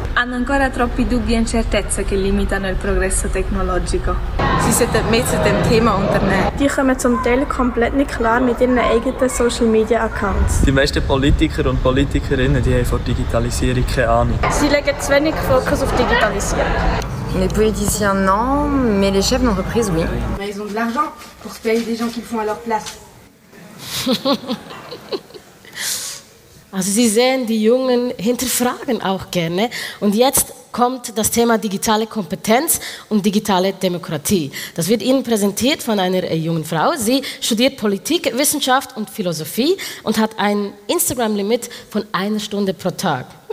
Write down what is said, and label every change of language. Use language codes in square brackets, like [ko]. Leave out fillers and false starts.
[it] Hanno ancora troppi dubbi e incertezze che limitano il progresso tecnologico. [de] Sie sind mit dem Thema unternehmen. Die kommen zum Teil komplett nicht klar mit ihren eigenen Social Media Accounts. Die meisten Politiker und Politikerinnen die haben von Digitalisierung keine Ahnung. Sie legen zu wenig Fokus auf Digitalisierung. [fr] Les politiciens non, mais les chefs d'entreprise oui. Mais ils ont de l'argent pour payer des gens qui le font à leur place. [de] Also Sie sehen, die Jungen hinterfragen auch gerne. Und jetzt kommt das Thema digitale Kompetenz und digitale Demokratie. Das wird Ihnen präsentiert von einer jungen Frau. Sie studiert Politik, Wissenschaft und Philosophie und hat ein Instagram-Limit von 1 Stunde pro Tag.